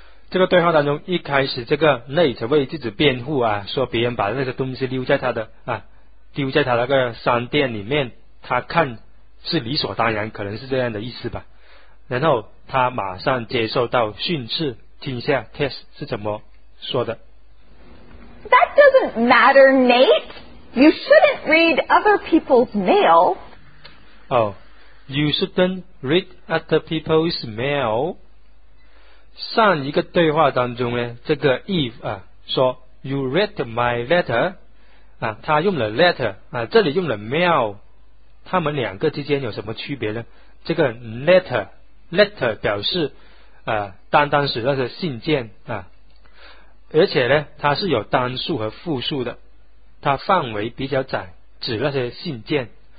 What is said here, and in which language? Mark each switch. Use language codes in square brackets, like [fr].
[zh] 这个对话当中，一开始这个 Nate 为自己辩护啊，说别人把那些东西丢在他那个商店里面，他看是理所当然，可能是这样的意思吧。然后他马上接受到训斥，听一下 Tess 是怎么说的。 [en] That doesn't matter, Nate. You shouldn't read other people's mail. Oh, you shouldn't read other people's mail. [zh] 上一个对话当中呢，这个 Eve 啊说 [en] You read my letter [zh] 啊，他用了 letter 啊，这里用了 mail， 他们两个之间有什么区别呢？这个 letter 表示啊单单是那个信件啊，而且呢它是有单数和复数的，它范围比较窄，指那些信件。